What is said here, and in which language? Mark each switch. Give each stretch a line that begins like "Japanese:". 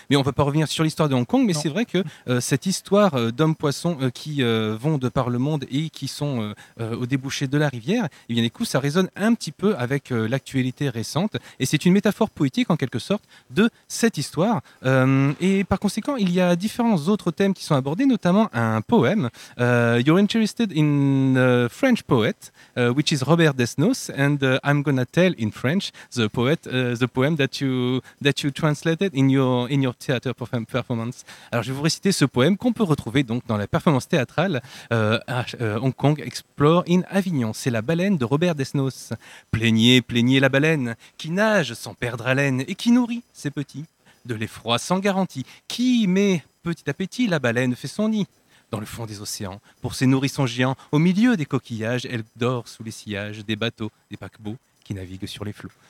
French: Mais on ne va pas revenir sur l'histoire de Hong Kong, mais non. C'est vrai que cette histoire d'hommes-poissons qui vont de par le monde et qui sont au débouché de la rivière, eh bien, du coup, ça résonne un petit peu avec l'actualité récente. Et c'est une métaphore poétique, en quelque sorte, de cette histoire. Et par conséquent, il y a différents autres thèmes qui sont abordés, notamment un poème.
English: You're interested in a French poet, which is Robert Desnos. And I'm gonna tell in French the poem that you translated in your theater performance.
French: Alors je vais vous réciter ce poème qu'on peut retrouver donc dans la performance théâtrale Hong Kong Explore in Avignon. C'est la baleine de Robert Desnos. Plaignez, plaignez la baleine qui nage sans perdre haleine et qui nourrit ses petits de l'effroi sans garantie. Qui met petit appétit la baleine fait son nid. Dans le fond des océans, pour ses nourrissons géants, au milieu des coquillages, elle dort sous les sillages des bateaux, des paquebots qui naviguent sur les flots.